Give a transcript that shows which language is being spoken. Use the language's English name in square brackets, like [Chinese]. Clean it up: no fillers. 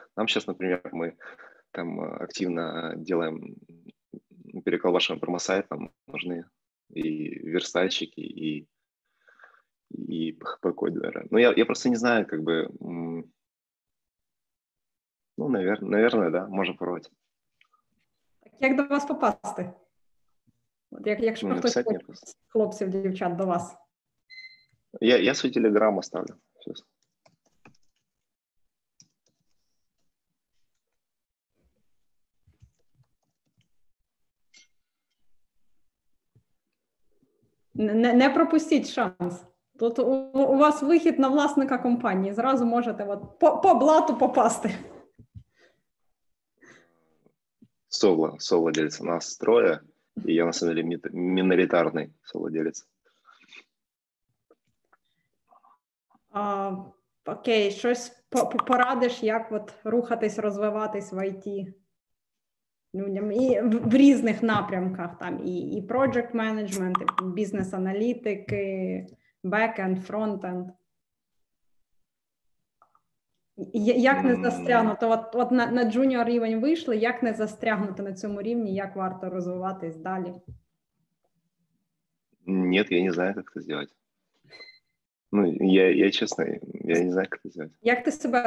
[Russian] Нам сейчас, например, мы там активно делаем перекол вашего промо-сайта, там нужны и верстальщики, и PHP-кодеры. Ну, я просто не знаю, как бы... Ну, наверное, да, можно пробовать. [Ukrainian] Як до вас попасти? От як же хтось хочет хлопців, дівчат до вас? Я свій телеграм оставлю. [Russian] Сейчас. [Ukrainian] Не пропустіть шанс. Тут у вас вихід на власника компанії. Зразу можете от по блату попасти. [Russian] Совладелец. У нас трое, и я, на самом деле, миноритарный совладелец. [Ukrainian] Окей, щось порадиш, як от рухатись, розвиватись в IT? Людям і в різних напрямках, там і project management, і бізнес-аналітики, back-end, front-end. Як не застрягнути? От на джуніор рівень вийшли, як не застрягнути на цьому рівні, як варто розвиватись далі? Ні, я не знаю, як це зробити. Ну, я чесно, я не знаю, як це зробити. Як ти себе